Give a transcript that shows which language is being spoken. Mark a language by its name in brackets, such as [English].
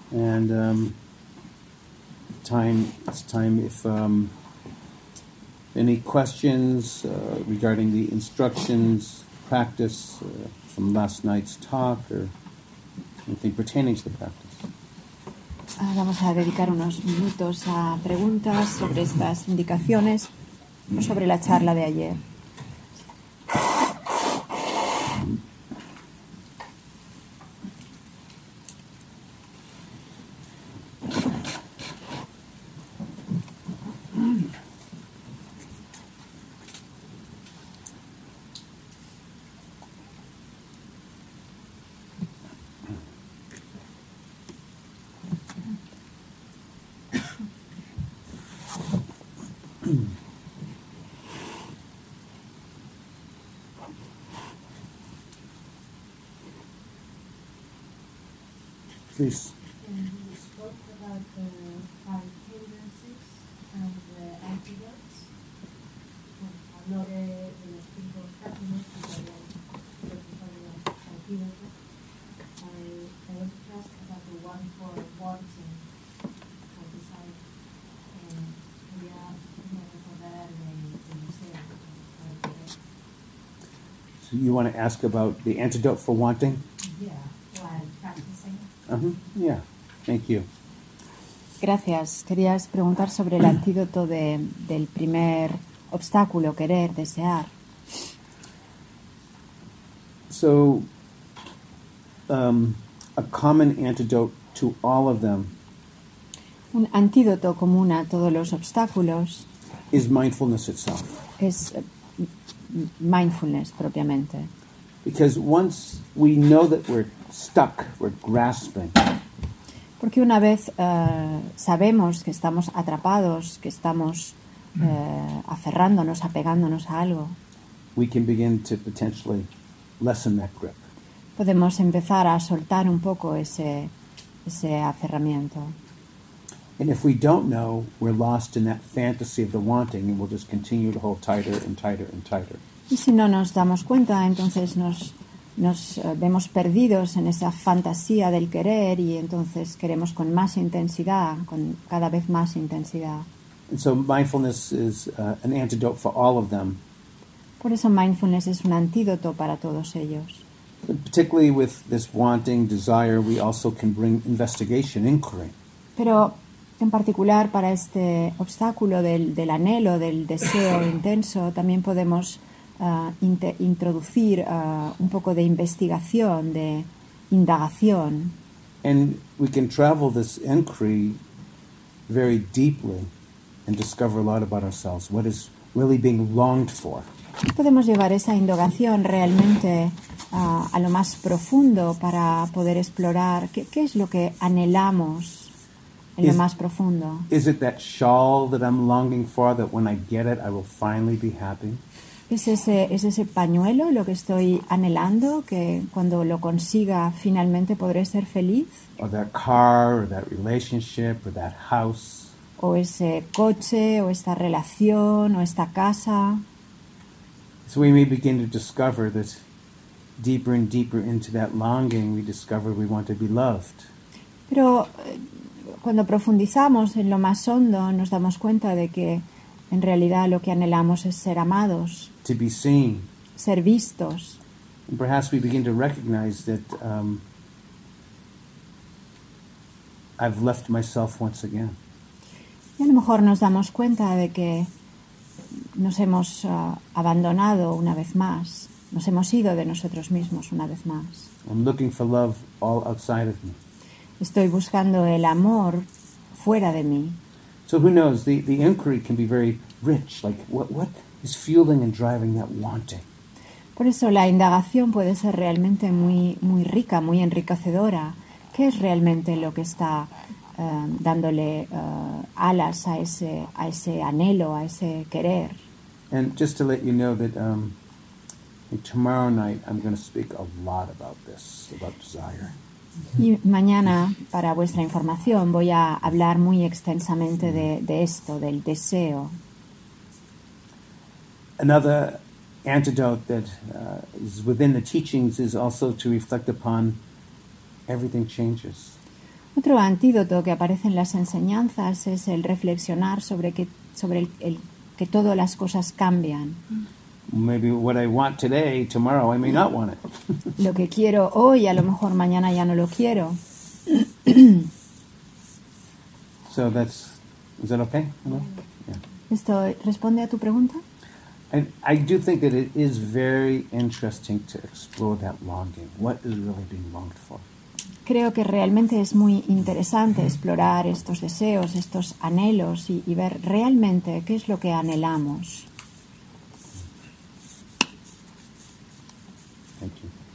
[English] And time if any questions regarding the instructions, practice from last night's talk or anything pertaining to the practice. [Spanish] Vamos a dedicar unos minutos a preguntas sobre estas indicaciones o sobre la charla de ayer. [English] You spoke about the five hindrances and the antidotes. [Spanish] Hablo de los cinco obstáculos que habían preocupado los antídotos. [English] I want to ask about the one for wanting, for desire. [Spanish] Quería recordar el deseo. [English] So you want to ask about the antidote for wanting? Yeah, while practicing. Thank you. [Spanish] Gracias. Querías preguntar sobre el antídoto del primer obstáculo, querer, desear. [English] So, a common antidote to all of them. [Spanish] Un antídoto común a todos los obstáculos. [English] Is mindfulness itself. [Spanish] Es mindfulness propiamente. [English] Because once we know that we're stuck, we're grasping. [Spanish] Porque una vez sabemos que estamos atrapados, que estamos aferrándonos, apegándonos a algo. [English] We can begin to potentially lessen that grip. [Spanish] Podemos empezar a soltar un poco ese aferramiento. [English] And if we don't know, we're lost in that fantasy of the wanting, and we'll just continue to hold tighter and tighter and tighter. [Spanish] Y si no nos damos cuenta, entonces nos vemos perdidos en esa fantasía del querer, y entonces queremos con más intensidad, con cada vez más intensidad. [English] And so mindfulness is an antidote for all of them. [Spanish] Por eso mindfulness es un antídoto para todos ellos. [English] But particularly with this wanting, desire, we also can bring investigation, inquiry. [Spanish] Pero en particular para este obstáculo del anhelo, del deseo intenso, también podemos introducir un poco de investigación, de indagación. [English] And we can travel this inquiry very deeply and discover a lot about ourselves, what is really being longed for. [Spanish] Podemos llevar esa indagación realmente a lo más profundo para poder explorar qué es lo que anhelamos en lo más profundo. [English] Is it that shawl that I'm longing for, that when I get it I will finally be happy? [Spanish] ¿Es ese pañuelo lo que estoy anhelando, que cuando lo consiga finalmente podré ser feliz? [English] Or that car, or that relationship, or that house. [Spanish] O ese coche, o esta relación, o esta casa. [English] So we may begin to discover that deeper and deeper into that longing, we discover we want to be loved. [Spanish] Pero cuando profundizamos en lo más hondo, nos damos cuenta de que en realidad lo que anhelamos es ser amados. [English] To be seen. [Spanish] Ser vistos. [English] And perhaps we begin to recognize that I've left myself once again. [Spanish] Y a lo mejor nos damos cuenta de que nos hemos abandonado una vez más, nos hemos ido de nosotros mismos una vez más. [English] I'm looking for love all outside of me. [Spanish] Estoy buscando el amor fuera de mí. [English] So who knows, the inquiry can be very rich, like what is fueling and driving that wanting. [Spanish] Por eso la indagación puede ser realmente muy muy rica, muy enriquecedora. ¿Qué es realmente lo que está dándole alas a ese anhelo, a ese querer? [English] And just to let you know that tomorrow night I'm going to speak a lot about this, about desire. [Spanish] Y mañana, para vuestra información, voy a hablar muy extensamente de esto, del deseo. [English] Another antidote that is within the teachings is also to reflect upon everything changes. [Spanish] Otro antídoto que aparece en las enseñanzas es el reflexionar sobre el que todas las cosas cambian. [English] Maybe what I want today, tomorrow I may not want it. [Spanish] Lo que quiero hoy, a lo mejor mañana ya no lo quiero. [English] So that's, is that okay? No? [Spanish] Yeah. ¿Esto responde a tu pregunta? [English] I do think that it is very interesting to explore that longing. What is really being longed for? [Spanish] Creo que realmente es muy interesante explorar estos deseos, estos anhelos y ver realmente qué es lo que anhelamos. [English] Thank you.